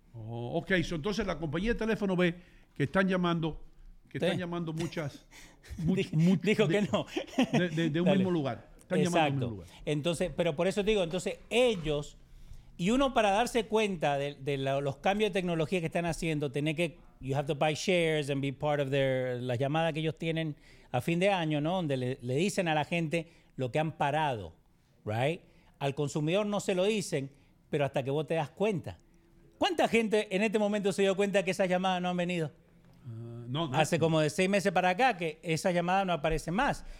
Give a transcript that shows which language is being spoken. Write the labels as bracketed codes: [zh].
[en] Oh, ok, so, [es] entonces la compañía de teléfono ve que están llamando... Que están llamando muchas... De un dale, mismo lugar. Están exacto, llamando de un mismo lugar. Entonces, pero por eso te digo, entonces ellos... Y uno para darse cuenta de los cambios de tecnología que están haciendo, tiene que... [en] You have to buy shares and be part of their... [es] Las llamadas que ellos tienen a fin de año, ¿no? Donde le dicen a la gente lo que han parado, [en] right. [es] Al consumidor no se lo dicen, pero hasta que vos te das cuenta. ¿Cuánta gente en este momento se dio cuenta que esas llamadas no han venido? No. Hace como de 6 meses para acá que esa llamada no aparece más.